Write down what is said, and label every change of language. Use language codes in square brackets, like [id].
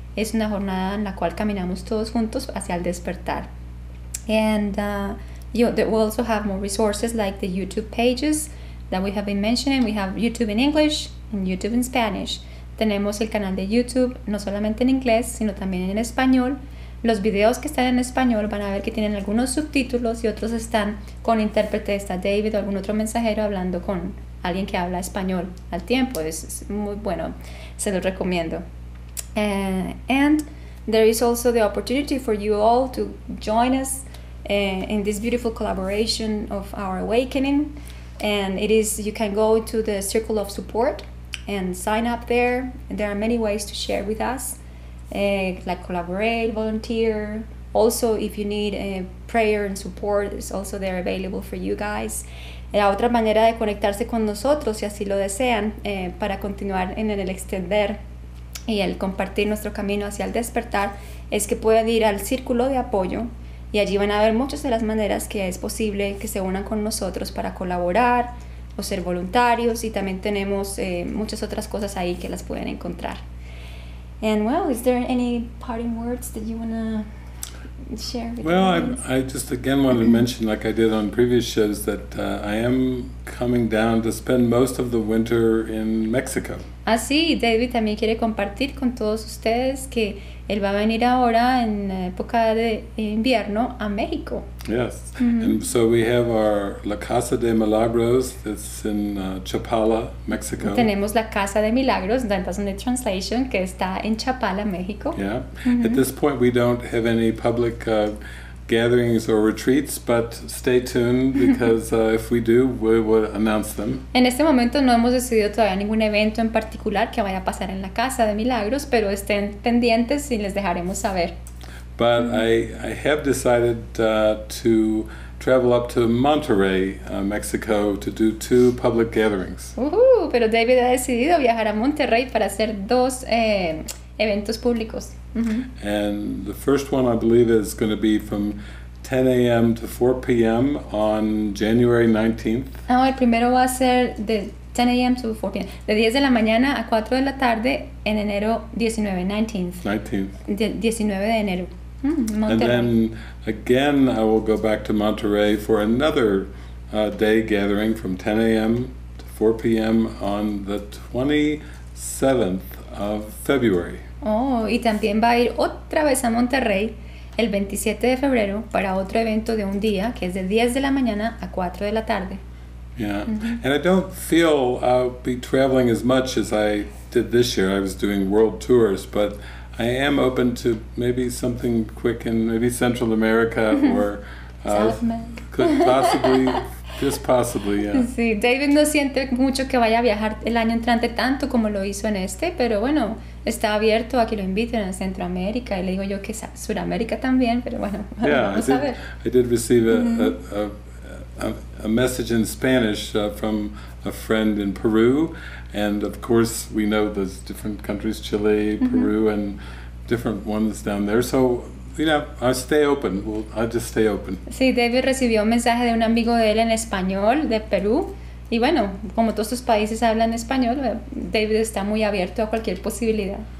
[es] Es una jornada en la cual caminamos todos juntos hacia el despertar. [en] And we also have more resources like the YouTube pages that we have been mentioning. We have YouTube in English and YouTube in Spanish. [es] Tenemos el canal de YouTube, no solamente en inglés, sino también en español. Los videos que están en español van a ver que tienen algunos subtítulos y otros están con intérprete, está David o algún otro mensajero hablando con alguien que habla español al tiempo. Es muy bueno, se los recomiendo. [en] And there is also the opportunity for you all to join us in this beautiful collaboration of our awakening. And it is, you can go to the circle of support and sign up there. There are many ways to share with us, like collaborate, volunteer. Also, if you need a prayer and support, it's also there available for you guys. [es] La otra manera de conectarse con nosotros, si así lo desean, para continuar en el extender y el compartir nuestro camino hacia el despertar, es que pueden ir al círculo de apoyo. Y allí van a ver muchas de las maneras que es posible que se unan con nosotros para colaborar o ser voluntarios. Y también tenemos muchas otras cosas ahí que las pueden encontrar. [en] And well, is there any parting words that you want to share with Well, I just again wanted to mention, like I did on previous shows, that I am coming down to spend most of the winter in Mexico. [es] Ah, sí, David también quiere compartir con todos ustedes que él va a venir ahora en época de invierno a México. Yes, mm-hmm. [en] And so we have our La Casa de Milagros, that's in Chapala, Mexico. [es] Y tenemos La Casa de Milagros, [en] that's in the translation, [es] que está en Chapala, México. Yeah, mm-hmm. [en] At this point we don't have any public gatherings or retreats, but stay tuned because if we do, we will announce them. [es] En este momento no hemos decidido todavía ningún evento en particular que vaya a pasar en la Casa de Milagros, pero estén pendientes y les dejaremos saber. [en] But I have decided to travel up to Monterrey, Mexico, to do two public gatherings. [es] Pero David ha decidido viajar a Monterrey para hacer dos eventos públicos. Mm-hmm. [en] And the first one, I believe, is going to be from 10 a.m. to 4 p.m. on January 19th. [es] Ah, el primero va a ser de 10 a.m. [en] to 4 p.m. [es] De 10 de la mañana a 4 de la tarde en enero 19 de enero. [en] And then again, I will go back to Monterrey for another day gathering from 10 a.m. to 4 p.m. on the 27th of February. [es] Oh, y también va a ir otra vez a Monterrey el 27 de febrero para otro evento de un día que es de 10 de la mañana a 4 de la tarde. Yeah, mm-hmm. [en] And I don't feel I'll be traveling as much as I did this year. I was doing world tours, but I am open to maybe something quick in maybe Central America or South America. Could possibly, just possibly, yeah. [es] Sí, David no siente mucho que vaya a viajar el año entrante tanto como lo hizo en este, pero bueno, está abierto a que lo inviten a Centroamérica y le digo yo que es Suramérica también, pero bueno, vamos a ver. [en] I did receive a message in Spanish from a friend in Peru, and of course we know there's different countries, Chile, Peru, mm-hmm. and different ones down there, so I'll just stay open. [es] Sí, David recibió un mensaje de un amigo de él en español, de Perú. Y bueno, como todos estos países hablan español, David está muy abierto a cualquier posibilidad.